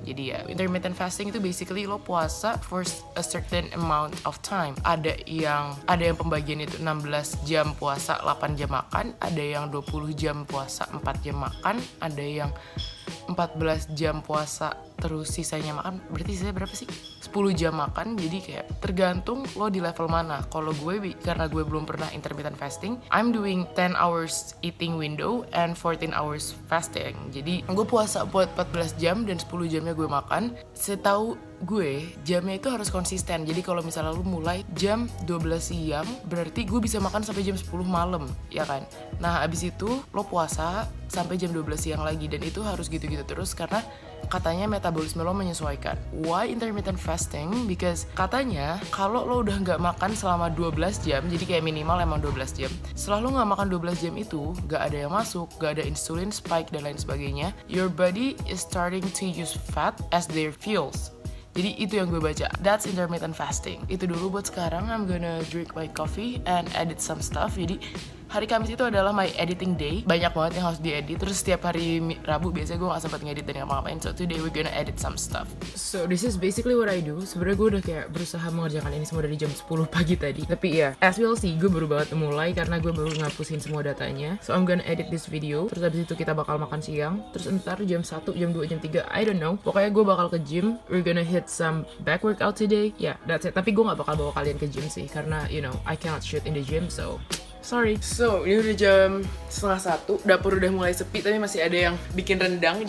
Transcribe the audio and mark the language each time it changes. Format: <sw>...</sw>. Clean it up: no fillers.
<id>Jadi ya,</id> <en>intermittent fasting itu basically</en> <id>lo puasa</id> <en>for a certain amount of time.</en> <id>Ada yang pembagian itu 16 jam puasa, 8 jam makan, ada yang 20 jam puasa, 4 jam makan, ada yang 14 jam puasa terus sisanya makan. Berarti sisanya berapa sih? 10 jam makan. Jadi kayak tergantung lo di level mana. Kalau gue, karena gue belum pernah</id> <en>intermittent fasting, I'm doing 10 hours eating window and 14 hours fasting.</en> <id>Jadi gue puasa buat 14 jam dan 10 jamnya gue makan. Setahu gue, jamnya itu harus konsisten. Jadi kalau misalnya lo mulai jam 12 siang, berarti gue bisa makan sampai jam 10 malam, ya kan? Nah, abis itu lo puasa sampai jam 12 siang lagi, dan itu harus gitu-gitu terus karena katanya metabolisme lo menyesuaikan.</id> <en>Why intermittent fasting?</en> <id>Because katanya kalau lo udah gak makan selama 12 jam, jadi kayak minimal emang 12 jam, setelah lo gak makan 12 jam itu, gak ada yang masuk, gak ada insulin spike dan lain sebagainya,</id> <en>your body is starting to use fat as their fuels.</en> <id>Jadi itu yang gue baca,</id> <en>that's intermittent fasting.</en> <id>Itu dulu buat sekarang,</id> <en>I'm gonna drink my coffee and edit some stuff. Jadi</en> <id>hari Kamis itu adalah</id> <en>my editing day.</en> <id>Banyak banget yang harus diedit. Terus setiap hari Rabu biasanya gue gak sempat ngedit dan ngapa-ngapain.</id> <en>So today we're gonna edit some stuff. So this is basically what I do.</en> <id>Sebenarnya gue udah kayak berusaha mengerjakan ini semua dari jam 10 pagi tadi. Tapi ya,</id> <en>as we'll see,</en> <id>gue baru banget mulai karena gue baru ngapusin semua datanya.</id> <en>So I'm gonna edit this video.</en> <id>Terus abis itu kita bakal makan siang. Terus ntar jam 1, jam 2, jam 3,</id> <en>I don't know.</en> <id>Pokoknya gue bakal ke gym.</id> <en>We're gonna hit some back workout today. Yeah, that's it.</en> <id>Tapi gue gak bakal bawa kalian ke gym sih.</id> <en>Karena, you know, I cannot shoot in the gym, so... Sorry.</en> <id>So, ini udah jam 12:30. Dapur udah mulai sepi, tapi masih ada yang bikin rendang.</id>